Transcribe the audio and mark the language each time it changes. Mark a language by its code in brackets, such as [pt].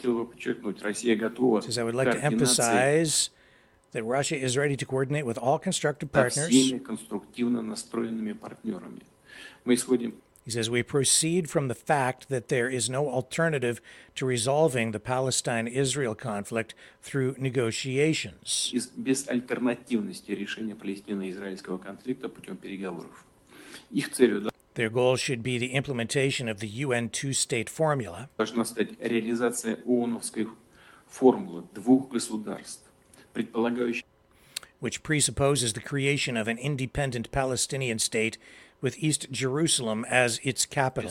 [en] says, I would like to emphasize that Russia is ready to coordinate with all constructive partners. He says, we proceed from the fact that there is no alternative to resolving the Palestine-Israel conflict through negotiations. [ru] Без альтернативности решения палестино-израильского конфликта путем переговоров. Их целью. [en] Their goal should be the implementation of the UN two-state formula. [ru] Должна стать реализация ООНовской формулы двух государств, предполагающей. [en] Which presupposes the creation of an independent Palestinian state with East Jerusalem as its capital.